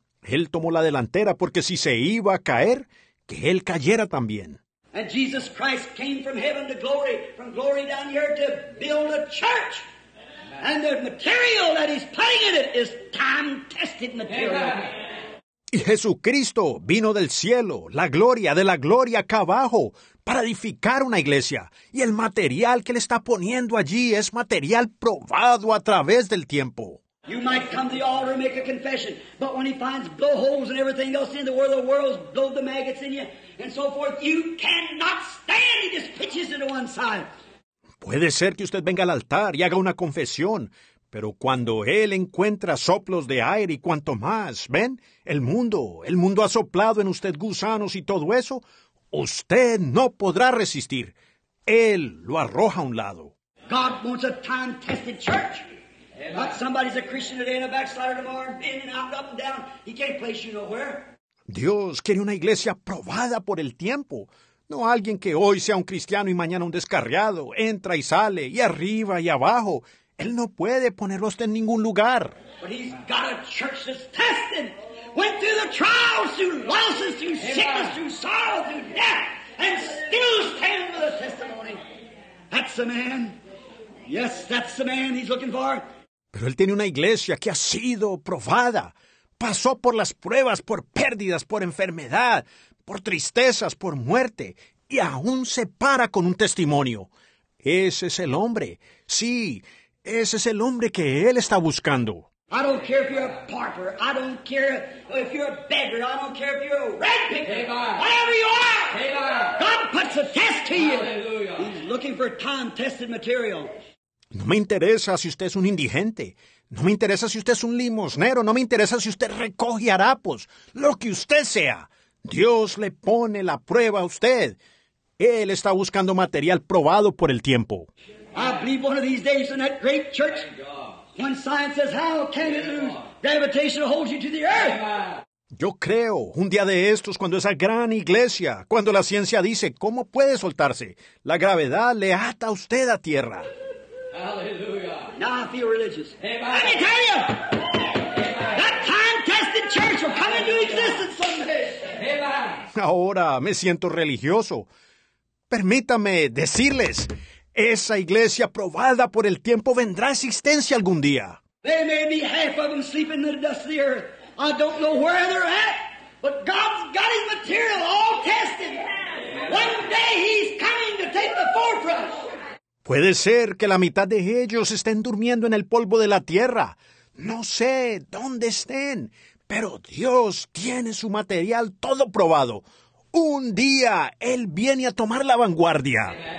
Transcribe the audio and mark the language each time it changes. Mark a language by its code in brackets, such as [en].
[es] Él tomó la delantera porque si se iba a caer, que él cayera también. [en] And Jesus Christ came from heaven to glory, from glory down here to build a church. Amen. And the material that he's putting in it is time-tested material. Amen. [es] Y Jesucristo vino del cielo, la gloria de la gloria acá abajo, para edificar una iglesia. Y el material que él está poniendo allí es material probado a través del tiempo. [en] You might come to the altar and make a confession, but when he finds blowholes and everything else in the world, the world's blowed the maggots in you, and so forth, you cannot stand. He just pitches it to one side. [es] Puede ser que usted venga al altar y haga una confesión, pero cuando él encuentra soplos de aire y cuanto más, ¿ven? El mundo ha soplado en usted gusanos y todo eso, usted no podrá resistir. Él lo arroja a un lado. [en] God wants a time-tested church. Not somebody's a Christian today and a backslider tomorrow, in and out, up and down. He can't place you nowhere. [es] Dios quiere una iglesia probada por el tiempo. No alguien que hoy sea un cristiano y mañana un descarriado. Entra y sale, y arriba y abajo. Él no puede ponerlos en ningún lugar. [en] But he's got a church that's tested. Went through the trials, through losses, through sickness, through sorrow, through death. And still stand with a testimony. That's the man. Yes, that's the man he's looking for. [es] Pero él tiene una iglesia que ha sido probada. Pasó por las pruebas, por pérdidas, por enfermedad, por tristezas, por muerte. Y aún se para con un testimonio. Ese es el hombre. Sí, ese es el hombre que él está buscando. [en] I don't care if you're a pauper. I don't care if you're a beggar. I don't care if you're a rag picker. Whatever you are, God puts a test to you. He's looking for time-tested material. [es] No me interesa si usted es un indigente. No me interesa si usted es un limosnero. No me interesa si usted recoge harapos. Lo que usted sea, Dios le pone la prueba a usted. Él está buscando material probado por el tiempo. [en] I believe one of these days in that great church, when science says, how can it lose? Gravitation holds you to the earth. [es] Yo creo, un día de estos, cuando esa gran iglesia, cuando la ciencia dice, ¿cómo puede soltarse? La gravedad le ata a usted a tierra. [en] Now I feel religious. Amen. Let me tell you, that time-tested church will come into existence someday. [es] Ahora me siento religioso. Permítame decirles, esa iglesia probada por el tiempo vendrá a existencia algún día. [en] They may be half of them sleeping in the dust of the earth. I don't know where they're at, but God's got his material all tested. One day he's coming to take the forefront. [es] Puede ser que la mitad de ellos estén durmiendo en el polvo de la tierra. No sé dónde estén, pero Dios tiene su material todo probado. Un día, Él viene a tomar la vanguardia.